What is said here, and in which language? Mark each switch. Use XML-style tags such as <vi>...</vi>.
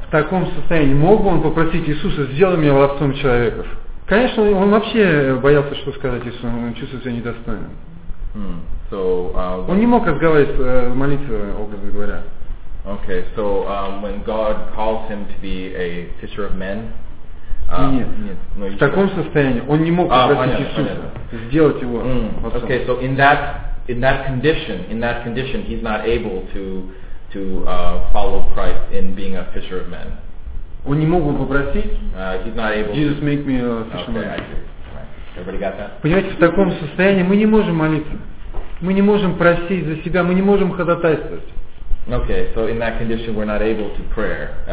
<ru>В таком состоянии мог бы он попросить Иисуса, сделай меня ловцом человеков? Конечно, он вообще боялся, что сказать Иисусу, он чувствует себя недостойным. Он не мог разговаривать, молиться, образно говоря.</ru> <en>Okay, so when God calls him to be a fisher of men,</en> <ru>в таком состоянии он не мог попросить Иисуса сделать его.</ru> <en>Okay, so in that condition, he's not able to follow Christ in being a fisher of men.</en> <ru>Он не мог бы попросить.</ru> <en>He's not able. Jesus, make me a fisher of men. Everybody got that?</en> <ru>Понимаете, в таком состоянии мы не можем молиться, мы не можем просить за себя, мы не можем ходатайствовать.</ru> <en>Okay, so in that condition we're not able to pray.</en>